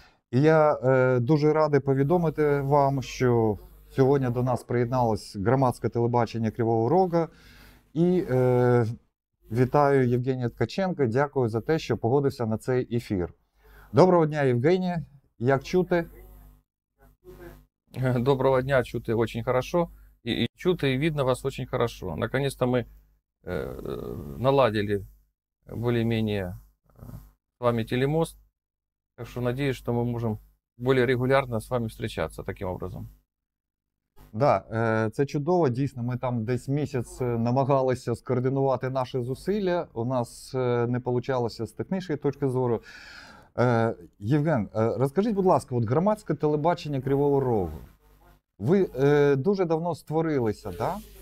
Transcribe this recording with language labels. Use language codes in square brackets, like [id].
[uk] І я дуже радий повідомити вам, що сьогодні до нас приєдналось громадське телебачення «Кривого Рога». І вітаю Євгенія Ткаченка, дякую за те, що погодився на цей ефір. Доброго дня, Євгенія, як чути? [ru] Доброго дня, [uk] чути [ru] очень хорошо, и чути, и видно вас очень хорошо. Наконец-то мы наладили более-менее с вами телемост, так что надеюсь, что мы можем более регулярно с вами встречаться таким образом. [uk] Да, це чудово, дійсно, ми там десь місяць намагалися скоординувати наші зусилля, у нас не получалося з технічної точки зору. Євген, розкажіть, будь ласка, от громадське телебачення «Кривого Рогу». Ви дуже давно створилися, так? Да?